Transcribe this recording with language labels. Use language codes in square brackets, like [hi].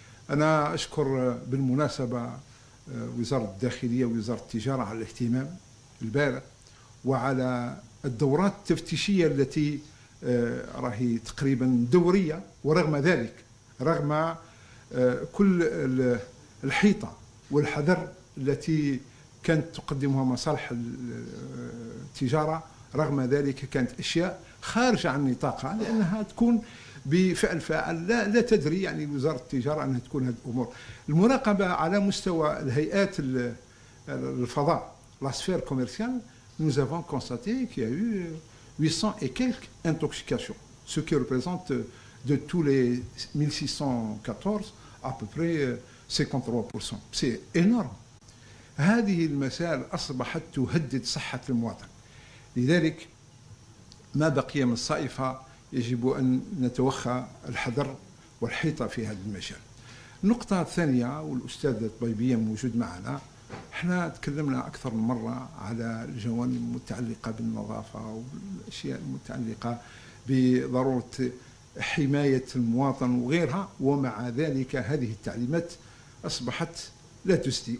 [ar] أنا أشكر بالمناسبة وزارة الداخلية ووزارة التجارة على الاهتمام البالغ وعلى الدورات التفتيشية التي راهي تقريبا دورية، ورغم ذلك رغم كل الحيطة والحذر التي كانت تقدمها مصالح التجارة، رغم ذلك كانت أشياء خارجة عن نطاقها لأنها تكون بفعل فاعل، لا تدري يعني وزارة التجارة أنها تكون هذه الأمور. المراقبة على مستوى الهيئات الفضاء [fr] la sphère commerciale, nous avons constaté qu'il y a eu 800 et quelques intoxications, ce qui représente de tous les 1614 à peu près 53%. C'est énorme. [ar] هذه المسائل أصبحت تهدد صحة المواطن. لذلك ما بقي من الصائفة يجب أن نتوخى الحذر والحيطة في هذا المجال. النقطة الثانية والأستاذ الطبيبية موجود معنا، احنا تكلمنا اكثر من مره على الجوانب المتعلقه بالنظافه والاشياء المتعلقه بضروره حمايه المواطن وغيرها، ومع ذلك هذه التعليمات اصبحت لا تسدي.